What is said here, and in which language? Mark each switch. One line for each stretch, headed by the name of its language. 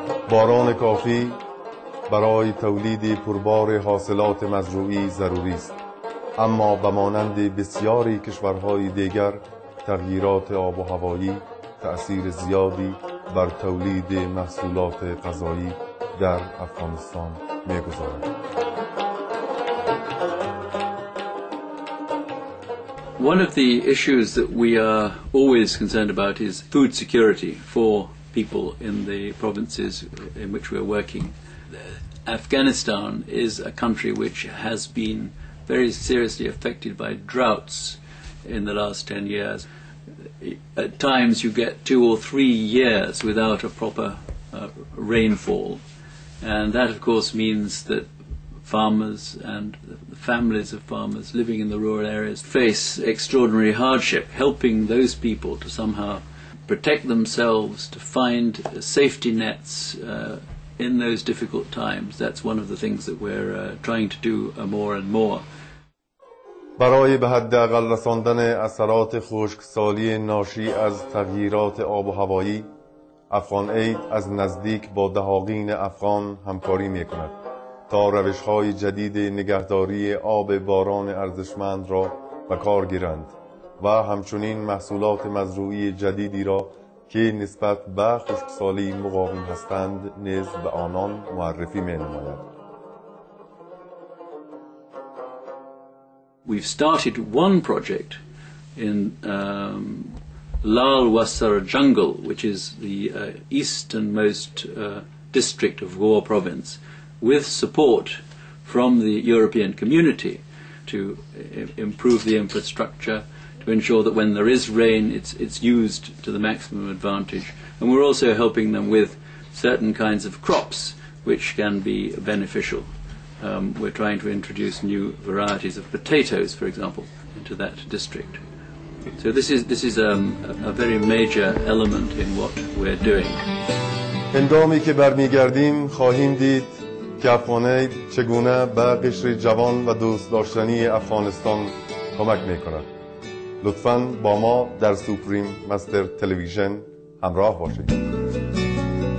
Persian: باران کافی برای تولید پربار حاصلات مزروعی ضروری است، اما به مانند بسیاری کشورهای دیگر تغییرات آب و هوایی تأثیر زیادی بر تولید محصولات غذایی در افغانستان می‌گذارد.
English: One of the issues that we are always concerned about is food security for people in the provinces in which we are working. Afghanistan is a country which has been very seriously affected by droughts in the last 10 years. At times you get 2 or 3 years without a proper rainfall, and that of course means that farmers and the families of farmers living in the rural areas face extraordinary hardship. Helping those people to somehow protect themselves, to find safety nets in those difficult times, that's one of the things that we're trying to do more and more.
Persian: برای به حداقل رساندن اثرات خشکسالی ناشی از تغییرات آب و هوایی، افغان اید از نزدیک با دهاقین افغان همکاری می کند تا روش‌های جدید نگهداری آب باران ارزشمند را به کار گیرند و همچنین محصولات مزروعی جدیدی را که نسبت به خشکسالی مقاوم هستند نیز به آنان معرفی می نماید.
English: We've started one project in Lal Wasara jungle, which is the easternmost district of Gor province, with support from the European community to improve the infrastructure, to ensure that when there is rain, it's used to the maximum advantage. And we're also helping them with certain kinds of crops, which can be beneficial. We're trying to introduce new varieties of potatoes, for example, into that district. So this is a very major element in what we're doing.
Persian: هنگامی که برمیگردیم خواهیم دید که افغانید چگونه به قشر جوان و دوست داشتنی افغانستان کمک میکند. لطفاً با ما در سوپریم مستر تلویزیون همراه باشید.